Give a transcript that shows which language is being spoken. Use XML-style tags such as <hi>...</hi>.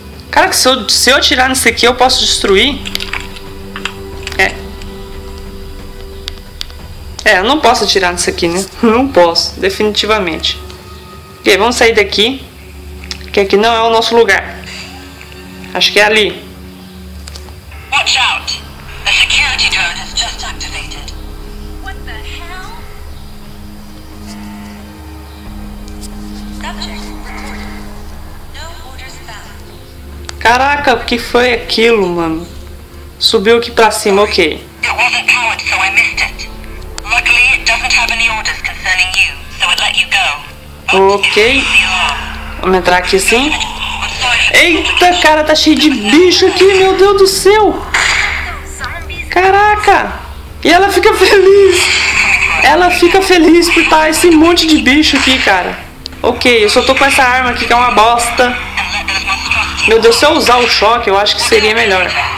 <pt>Caraca, se eu atirar nisso aqui, eu posso destruir? É. É, eu não posso atirar nisso aqui, né? Não posso, definitivamente. Ok, vamos sair daqui. Que aqui não é o nosso lugar. Acho que é ali.</pt> <en>Watch out! A security drone has just activated. What the hell? Subject reported. No orders found.</en> <pt>Caraca, o que foi aquilo, mano? Subiu aqui pra cima, ok.</pt> <en>It wasn't powered, so I missed it. Luckily, it doesn't have any orders concerning you, so it let you go.</en> <pt>Ok. Vamos entrar aqui sim. Eita, cara, tá cheio de bicho aqui, meu Deus do céu. Caraca. E ela fica feliz. Ela fica feliz por estar esse monte de bicho aqui, cara. Ok, eu só tô com essa arma aqui que é uma bosta. Meu Deus, se eu usar o choque, eu acho que seria melhor.</pt>